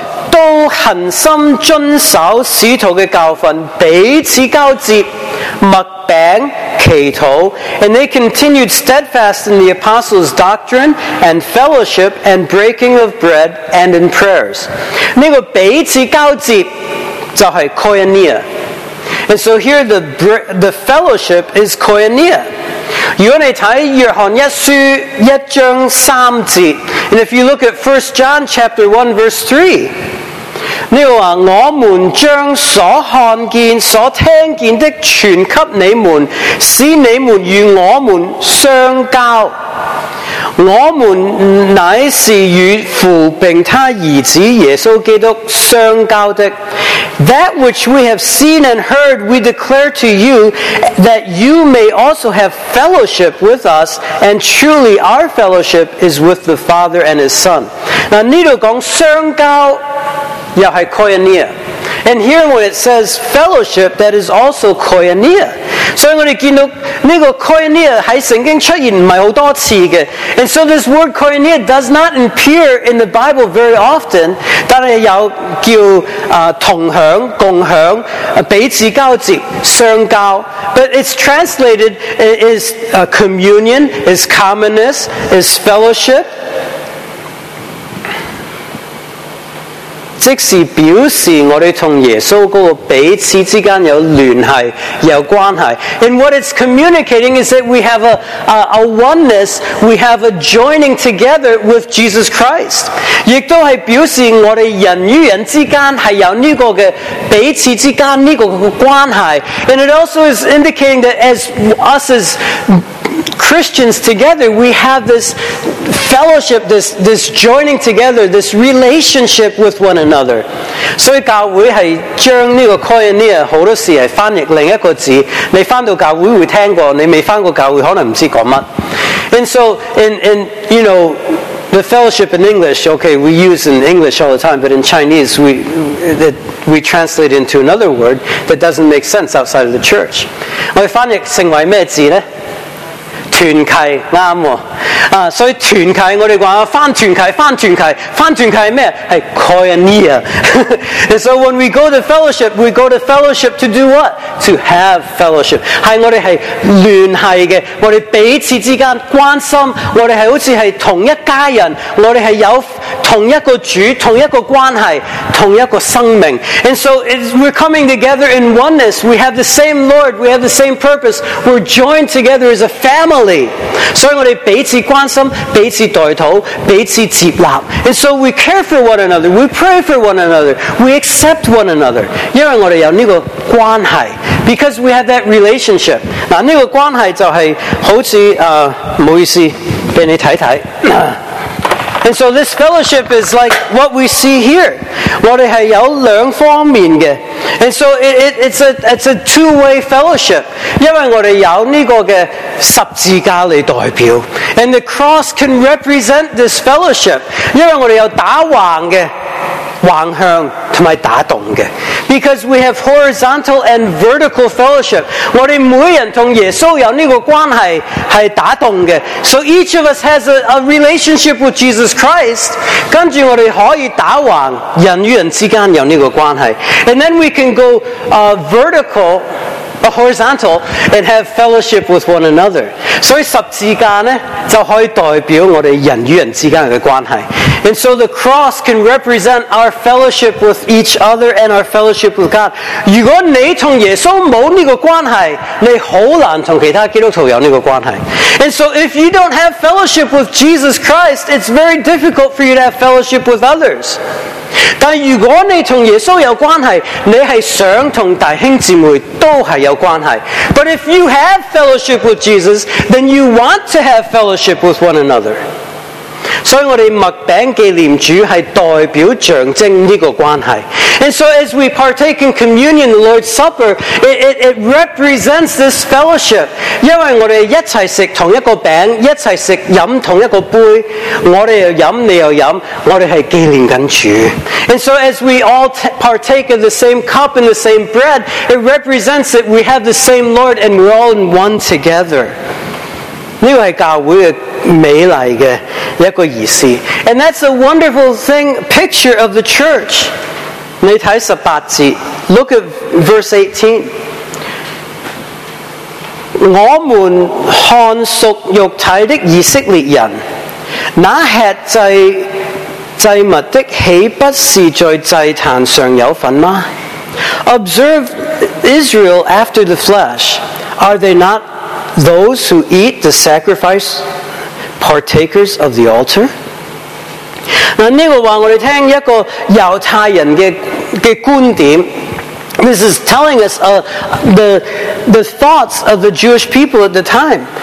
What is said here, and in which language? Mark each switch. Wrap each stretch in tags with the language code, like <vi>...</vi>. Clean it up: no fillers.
<zh>都恒心遵守使徒的教训，彼此交接，默饼祈祷。</zh> <en>And they continued steadfast in the apostles' doctrine and fellowship and breaking of bread and in prayers.</en> <zh>这个彼此交接就是 koinonia。</zh> <en>And so here the fellowship is koinonia.</en> <zh>如果你睇约翰一书一章三节</zh> <en>，and if you look at 1 John chapter 1 verse 3。</en> <zh>你话我们将所看见、所听见的传给你们，使你们与我们相交。我们乃是与父并他儿子耶稣基督相交的。</zh> <en>That which we have seen and heard, we declare to you, that you may also have fellowship with us. And truly, our fellowship is with the Father and His Son.</en> <zh>那呢度讲相交。又是 koinonia，</zh> <en>and here when it says fellowship, that is also koinonia。</en> <zh>所以我哋见到呢个 koinonia 喺圣经出现唔系好多次嘅。</zh> <en>And so this word koinonia does not appear in the Bible very often。</en> <zh>但系有叫同享、共享、彼此交接、相交。</zh> <en>But it's translated is communion, is commonness, is fellowship。</en> <zh>即是表示我们与耶稣那个彼此之间有联系有关系。</zh> <en>And what it's communicating is that we have a oneness, we have a joining together with Jesus Christ.</en> <zh>亦都是表示我们人与人之间是有这个彼此之间这个关系。</zh> <en>And it also is indicating that as us as Christians together, we have this fellowship, this joining together, this relationship with one another.</en> <zh>So, 教会是将这个 koinonia 很多时是翻译另一个字。你翻到教会会听过，你没翻过教会可能不知道说什么。</zh> <en>And so, in you know, the fellowship in English, okay, we use in English all the time, but in Chinese, we translate into another word that doesn't make sense outside of the church.</en> <zh>我们翻译成为什么字呢？团契啱喎，所以团契我哋话翻团契，翻团契，翻团契系咩？系 koinonia。</zh> <en>And so when we go to fellowship, we go to fellowship to do what? To have fellowship。</en> <zh>系我哋系联系嘅，我哋彼此之间关心，我哋系好似系同一家人，我哋系有同一个主，同一个关系，同一个生命。</zh> <en>And so we're coming together in oneness. We have the same Lord. We have the same purpose. We're joined together as a family.</en> <zh>所以我们彼此关心，彼此代祷，彼此接纳。</zh> <en>And so we care for one another, we pray for one another, we accept one another.</en> <zh>因为我们有这个关系。</zh> <en>Because we have that relationship.</en> <zh>那这个关系就是好像不好意思，给你看看。</zh> <en>And so this fellowship is like what we see here.</en> <zh>我们是有两方面的。</zh> <en>And so it's a two-way fellowship.</en> <zh>因为我们有这个十字架来代表。</zh> <en>And the cross can represent this fellowship.</en> <zh>因为我们有打横的横向同埋打动嘅。</zh> <en>Because we have horizontal and vertical fellowship，</en> <zh>我哋每人同耶稣有呢个关系系打动嘅。</zh> <en>So each of us has a relationship with Jesus Christ，</en> <zh>跟住我哋可以打横人与人之间有呢个关系。</zh> <en>And then we can go vertical。 A horizontal and have fellowship with one another.</en> <zh>So 十字架呢就可以代表我哋人与人之间嘅关系。</zh> <en>And so the cross can represent our fellowship with each other and our fellowship with God.</en> <zh>如果你同耶稣冇呢个关系，你好难同其他基督徒有呢个关系。</zh> <en>And so if you don't have fellowship with Jesus Christ, it's very difficult for you to have fellowship with others.</en> <zh>但如果你同耶稣有关系，你系想同弟兄姊妹都系有关系。</zh> <en>But if you have fellowship with Jesus, then you want to have fellowship with one another.</en> <zh>所以我哋麦饼纪念主系代表象征呢个关系。</zh> <en>And so as we partake in communion, the Lord's Supper, it represents this fellowship.</en> <zh>因为我哋一齐食同一个饼，一齐食饮同一个杯，我哋又饮，你又饮，我哋系纪念紧主。</zh> <en>And so as we all partake of the same cup and the same bread, it represents that we have the same Lord and we're all in one together.</en> <zh>呢个系教会嘅美丽嘅一个仪式</zh> <en>，and that's a wonderful thing picture of the church。</en> <zh>你睇十八节 ，</zh> <en>look at verse 18。</en> <zh>我们看属肉体的以色列人，那吃祭物的，岂不是在祭坛上有份吗</zh> <en>？Observe Israel after the flesh， are they not？ Those who eat the sacrifice, partakers of the altar.</en> <zh>嗱，呢个话我哋听一个犹太人嘅观点。</zh> <en>This is telling us the thoughts of the Jewish people at the time.</en>